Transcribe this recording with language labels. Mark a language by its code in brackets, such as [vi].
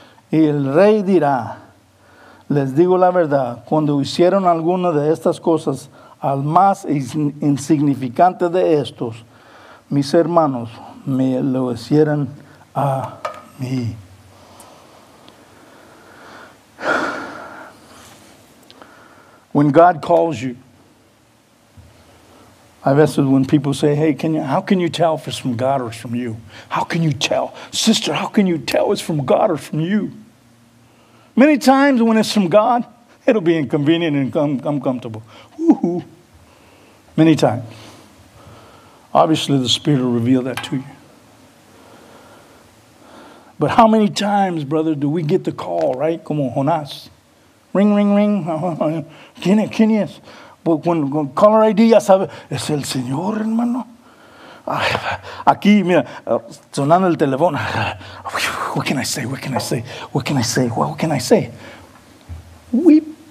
[es] Y el rey dirá, les digo la verdad, cuando hicieron alguna de estas cosas al más insignificante de estos, mis hermanos me lo hicieron a mí. [en] When God calls you, I've asked when people say, hey, how can you tell if it's from God or from you? How can you tell? Sister, how can you tell it's from God or from you? Many times when it's from God, it'll be inconvenient and uncomfortable. Woo-hoo. Many times. Obviously, the Spirit will reveal that to you. But how many times, brother, do we get the call, right? [es] Como Jonás. Ring, ring, ring. ¿Quién es? Con color ID, ya sabe, es el Señor, hermano. Ay, aquí, mira, sonando el teléfono. [en] What can I say? What can I say? What can I say? What can I say? Weep.